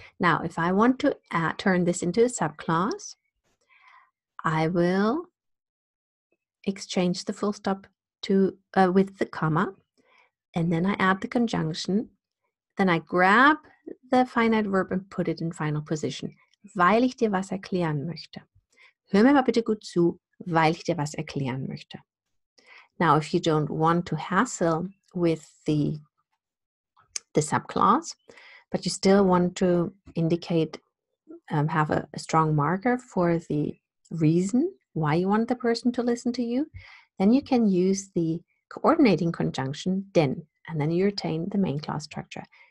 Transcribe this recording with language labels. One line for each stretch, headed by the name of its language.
English: Now, if I want to turn this into a subclause, I will exchange the full stop to with the comma, and then I add the conjunction. Then I grab the finite verb and put it in final position.
German: Weil ich dir was erklären möchte. Hör mir mal bitte gut zu, weil ich dir was erklären möchte.
English: Now, if you don't want to hassle with the subclause, but you still want to indicate, have a strong marker for the reason why you want the person to listen to you, then you can use the coordinating conjunction, denn, and then you retain the main clause structure.